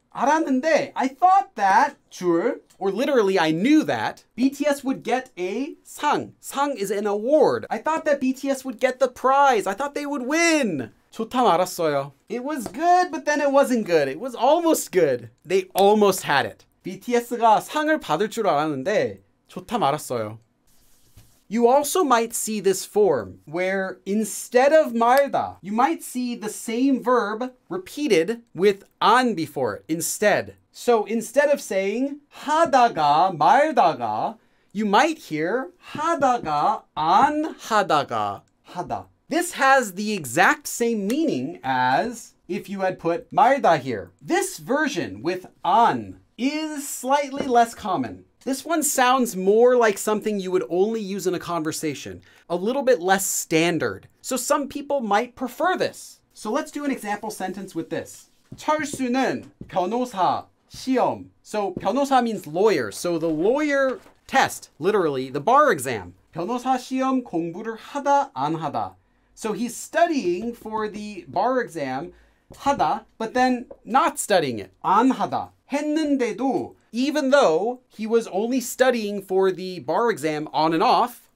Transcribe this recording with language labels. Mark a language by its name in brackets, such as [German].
[Korean] 알았는데 [English] I thought that [Korean] 줄 [English] or literally I knew that BTS would get a 상. 상 is an award. I thought that BTS would get the prize. I thought they would win. [Korean] 좋다 말았어요. [English] It was good but then it wasn't good. It was almost good. They almost had it. [Korean] BTS가 상을 받을 줄 알았는데 좋다 말았어요. [English] You also might see this form where instead of 말다, you might see the same verb repeated with 안 before it, instead. So instead of saying [Korean] 하다가 말다가, [English] you might hear [Korean] 하다가 안 하다가 하다. [English] This has the exact same meaning as if you had put 말다 here. This version with 안 is slightly less common. This one sounds more like something you would only use in a conversation, a little bit less standard. So some people might prefer this. So let's do an example sentence with this. [Korean] 철수는 변호사 시험. [English] So 변호사 means lawyer. So the lawyer test, literally the bar exam. [Korean] 변호사 시험 공부를 하다 안 하다. [English] So he's studying for the bar exam 하다, but then not studying it. [Korean] 안 하다. 했는데도 [English] Even though he was only studying for the bar exam on and off,